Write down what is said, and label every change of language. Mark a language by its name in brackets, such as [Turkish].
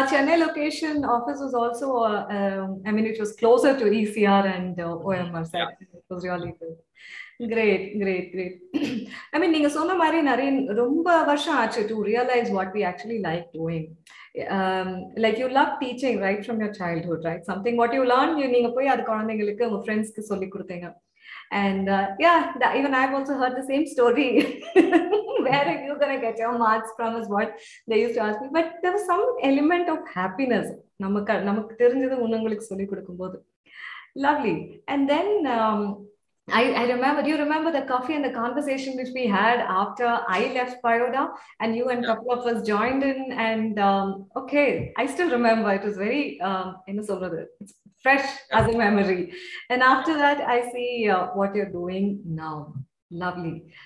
[English] And our Chennai location office was also, it was closer to ECR and OMR. So it was really good. Great, great, great. I mean, [Tamil] நீங்க சொன்ன மாதிரி நிறைய ரொம்ப வருஷம் ஆச்சு [English] to realize what we actually like doing. Like you love teaching right from your childhood, right? Something what you learn, you [Tamil] நீங்க போய் அது குழந்தைங்களுக்கு உங்க ஃப்ரெண்ட்ஸ்க்கு சொல்லி கொடுத்தீங்க. [English] And even I've also heard the same story. Where are you going to get your marks from is what they used to ask me. But there was some element of happiness. [Tamil] நமக்கு தெரிஞ்சது உங்களுக்கு சொல்லி கொடுக்கும்போது. [English] Lovely. And then... I remember, do you remember the coffee and the conversation which we had after I left Pyoda and you and a couple of us joined in? And I still remember. It was very, it's fresh as a memory. And after that, I see what you're doing now. Lovely.